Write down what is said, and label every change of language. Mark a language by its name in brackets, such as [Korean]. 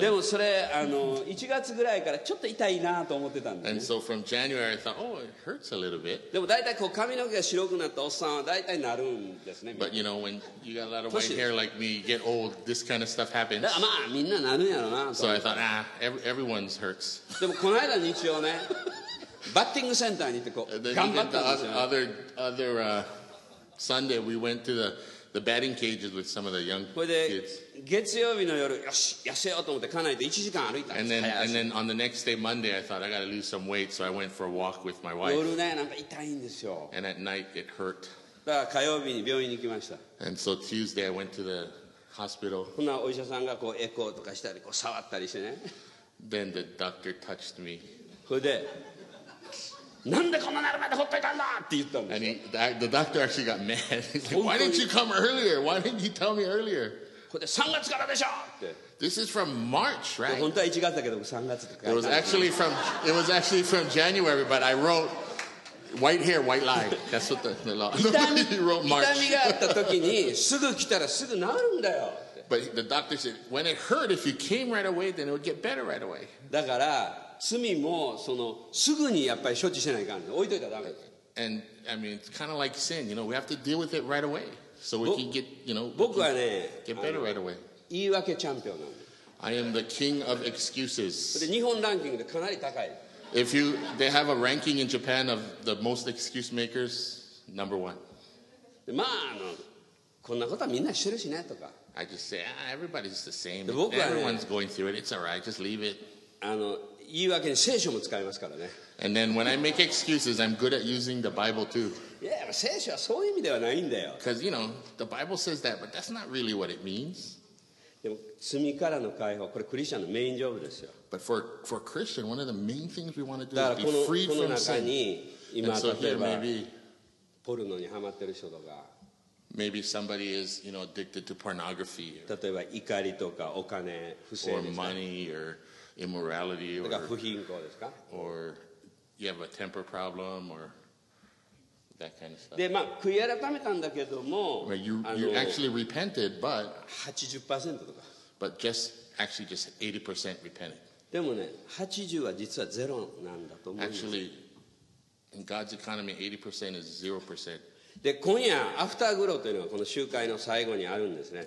[Japanese] でもそれ、あの、1月ぐらいからちょっと痛いなと思ってたんで、ね。 [English] And so from January I thought, oh, it hurts a little bit. [Japanese] でも大体こう髪の毛が白くなったおっさんは大体なるんですね。 [English] But you know, when you got a lot of white hair like me, you get old, this kind of stuff happens. [Japanese] まあ、みんななるんやろな。 [English] So I thought, ah, everyone's hurts. [Japanese] でもこの間日曜ね。バッティングセンターに行ってこう頑張ったんですよ。 [English] Other Sunday we went to the batting cages with some of the young kids. [Japanese] 月曜日の夜、よし痩せようと思って家内で1時間歩いたんです。 [English] And then on the next day Monday I thought I got to lose some weight, so I went for a walk with my wife. [Japanese] 夜ねなんか痛いんですよ。 [English] And at night it hurt. [Japanese] だから火曜日に病院に行きました。 [English] And so Tuesday I went to the hospital. [Japanese] そんなお医者さんがこうエコーとかしたりこう触ったりしてね。 [English] Then the doctor touched me. [Japanese] それでなんでこんななるまでほっといたんだって言ったんですよ。 [English] And the doctor actually got mad. He's like, why didn't you come earlier? Why didn't you tell me earlier? [Japanese] これ3月からでしょって。 [English] This is from March, right? [Japanese] 本当は1月だけど3月とか。 [English] It was actually from January, but I wrote white hair, white lie. That's what the law. He wrote March. [Japanese] 痛みがあった時にすぐ来たらすぐなるんだよ。 [English] But the doctor said, when it hurt, if you came right away, then it would get better right away. [Japanese] だから罪もそのすぐにやっぱり処置しないかんね。置いといたらダメ。 [English] And I mean, it's kind of like sin. You know, we have to deal with it right away, so we can get, you know, [Japanese] 僕はね、 [English] get better right away. [Japanese] 言い訳チャンピオンなんで。 [English] I am the king of excuses. [Japanese] で、日本ランキングでかなり高い。 [English] If you, they have a ranking in Japan of the most excuse makers, number one. [Japanese] で、まあ、あの、こんなことはみんなしてるしねとか。 [English] I just say, ah, everybody's the same. [Japanese] で、僕はね、 [English] everyone's going through it. It's all right. Just leave it. [Japanese] あの、言い訳に聖書も使いますからね。 [English] And then when I make excuses, I'm good at using the Bible too. [Japanese] Yeah, 聖書はそういう意味ではないんだよ。 [English] Because, you know, the Bible says that, but that's not really what it means. [Japanese] でも罪からの解放、これクリスチャンのメインジョブですよ。 [English] But for a Christian, one of the main things we want to do is be freed from sin. [Japanese] だからこの中に、今、 [English] and so here, maybe, [Japanese] ポルノにハマってる人とか、 [English] maybe somebody is, you know, addicted to pornography. [Japanese] 例えば怒りとかお金、不正ですね。 [English] Or money, or immorality, or you have a temper problem, or that kind of stuff. [Japanese] で、まあ、悔い改めたんだけども、 [English] right, you actually repented, but [Japanese] 80% とか。 [English] But just 80% repented. [Japanese] でもね、80は実はゼロなんだと思う。 [English] Actually, in God's economy, 80% is 0%. [Japanese] で、今夜、アフターグローというのはこの集会の最後にあるんですね。